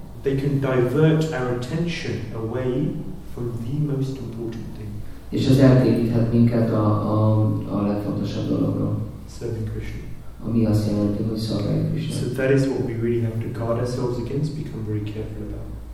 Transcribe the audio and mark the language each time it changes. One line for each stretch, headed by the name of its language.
English: They can divert our attention away from the most important thing.
Hungarian: És az eltéríthet minket a legfontosabb dologról.
English: Serving Krishna.
Hungarian: Ami azt jelenti, hogy szolgáljuk Krishna.
English: So that is what we really have to guard ourselves against, become very careful about.